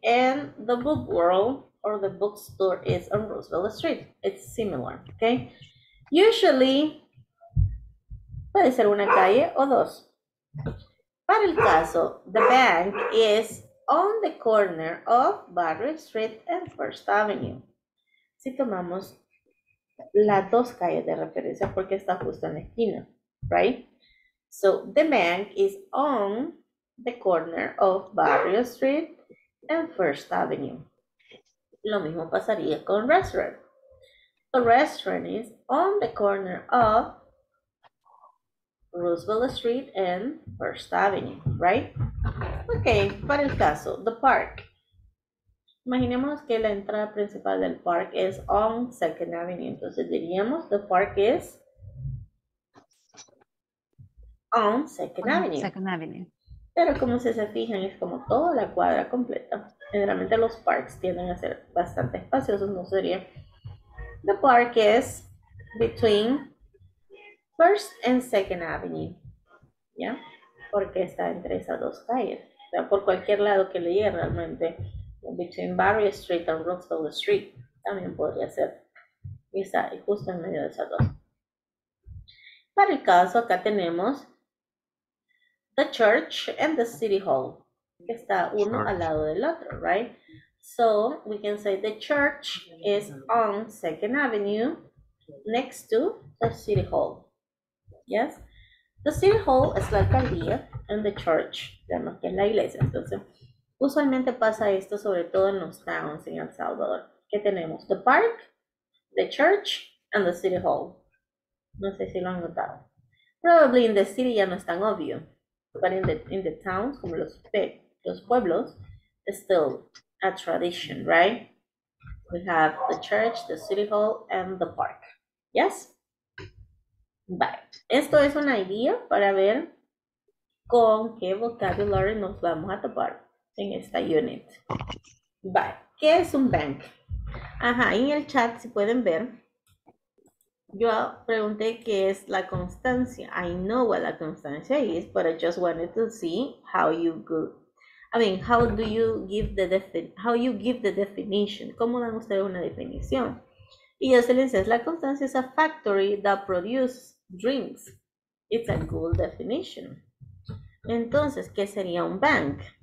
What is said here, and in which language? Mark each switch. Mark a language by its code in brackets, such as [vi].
[en] And the book world or the bookstore is on Roosevelt Street. It's similar, okay? Usually, [es] puede ser una calle o dos. Para el caso, [en] the bank is on the corner of Barry Street and First Avenue. [es] Si tomamos las dos calles de referencia porque está justo en la esquina, right? [en] So, the bank is on the corner of Barry Street and First Avenue. [es] Lo mismo pasaría con restaurant. [en] The restaurant is on the corner of Roosevelt Street and First Avenue, right? [es] Okay, para el caso, the park. Imaginemos que la entrada principal del park es [en] on Second Avenue. [es] Entonces diríamos, [en] the park is on Second Avenue. Second Avenue. [es] Pero como se fijan, es como toda la cuadra completa. Generalmente los parks tienden a ser bastante espaciosos, no sería. [en] The park is between First and Second Avenue, ¿ya? [es] Porque está entre esas dos calles. O sea, por cualquier lado que le llegue realmente, [en] between Barry Street and Roosevelt Street, [es] también podría ser. Y está justo en medio de esas dos. Para el caso, acá tenemos [en] the church and the city hall, [es] que está uno church al lado del otro, right? [en] So, we can say the church is on Second Avenue next to the city hall. Yes, the city hall is la alcaldía and the church, [es] digamos que es la iglesia. Entonces, usualmente pasa esto sobre todo en los towns en El Salvador. ¿Qué tenemos? [en] The park, the church, and the city hall. [es] No sé si lo han notado. [en] Probably in the city [es] ya no es tan obvio, [en] but in the towns, [es] como los pueblos, [en] it's still a tradition, right? We have the church, the city hall, and the park. Yes? Bye. [es] Esto es una idea para ver con qué vocabulary nos vamos a topar en esta unit. Bye. ¿Qué es un bank? Ajá, en el chat si pueden ver, yo pregunté qué es la constancia. [en] I know what la constancia is, but I just wanted to see how you go. I mean, how do you give the how you give the definition? [es] ¿Cómo dan ustedes una definición? Y yo se les dice, la constancia [en] is a factory that produces drinks. It's a cool definition. [es] Entonces, ¿qué sería un bank?